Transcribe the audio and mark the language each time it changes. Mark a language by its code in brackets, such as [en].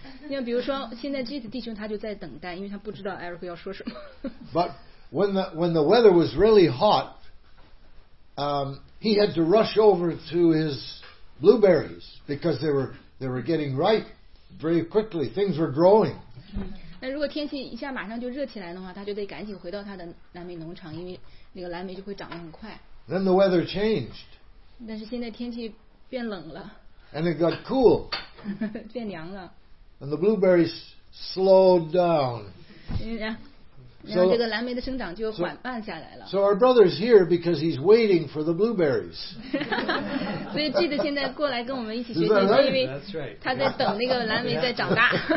[zh] 像比如说，现在这个弟兄他就在等待，因为他不知道 Eric 要说什么。 [en] But when the weather was really hot, he had to rush over to his blueberries because they were getting ripe very quickly. Things were growing. [zh] 那如果天气一下马上就热起来的话，他就得赶紧回到他的蓝莓农场，因为那个蓝莓就会长得很快。 [en] Then the weather changed. [zh] 但是现在天气变冷了。 [en] And it got cool. [zh] 变凉了。 [en] And the blueberries slowed down. [zh] 然后这个蓝莓的生长就缓慢下来了。 [en] So our brother's here because he's waiting for the blueberries. [zh] 所以记得现在过来跟我们一起学习，是因为他在等那个蓝莓在长大。